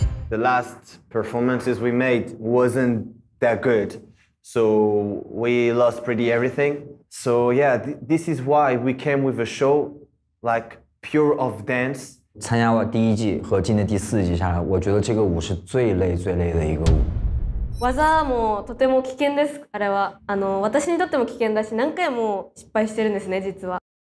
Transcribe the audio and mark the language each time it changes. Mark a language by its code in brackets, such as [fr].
[en] ！The last performances we made wasn't that good, so we lost pretty everything. So yeah, this is why we came with a show like pure of dance. [zh] 参加第一季和今年第四季下来，我觉得这个舞是最累最累的一个舞。 [ja] 技もとても危険です。あれは私にとっても危険だし、何回も失敗してるんですね、実は。